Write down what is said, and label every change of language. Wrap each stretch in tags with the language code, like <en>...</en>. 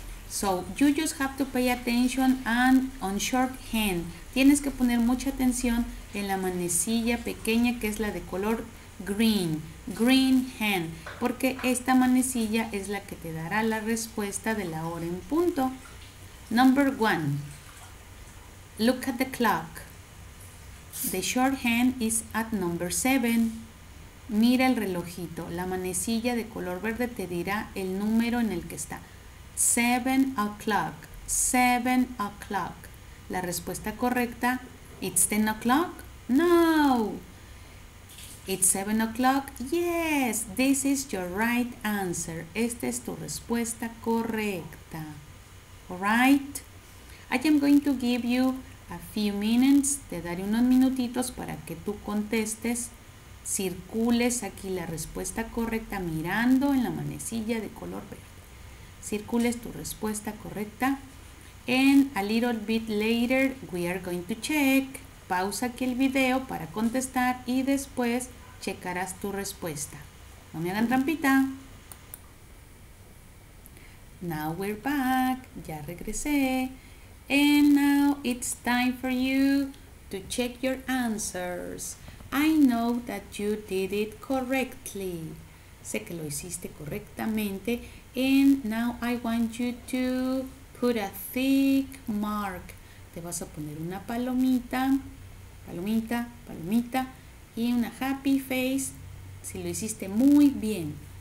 <en>So, you just have to pay attention and on shorthand.</en> <es>Tienes que poner mucha atención en la manecilla pequeña que es la de color green.</es> <en>Green hand.</en> <es>Porque esta manecilla es la que te dará la respuesta de la hora en punto.</es> <en>Number one. Look at the clock. The shorthand is at number 7.</en> <es>Mira el relojito. La manecilla de color verde te dirá el número en el que está.</es> <en>7 o'clock. 7 o'clock.</en> <es>La respuesta correcta.</es> <en>It's 10 o'clock. No. It's 7 o'clock. Yes. This is your right answer.</en> <es>Esta es tu respuesta correcta.</es> <en>All right. I am going to give you a few minutes.</en> <es>Te daré unos minutitos para que tú contestes. Circules aquí la respuesta correcta mirando en la manecilla de color verde. Circules tu respuesta correcta.</es> <en>And a little bit later, we are going to check.</en> <es>Pausa aquí el video para contestar y después checarás tu respuesta. No me hagan trampita.</es> <en>Now we're back.</en> <es>Ya regresé.</es> <en>And now it's time for you to check your answers. I know that you did it correctly.</en> <es>Sé que lo hiciste correctamente.</es> <en>And now I want you to put a thick mark.</en> <es>Te vas a poner una palomita, palomita, palomita y una</es> <en>happy face</en> <es>si lo hiciste muy bien.</es>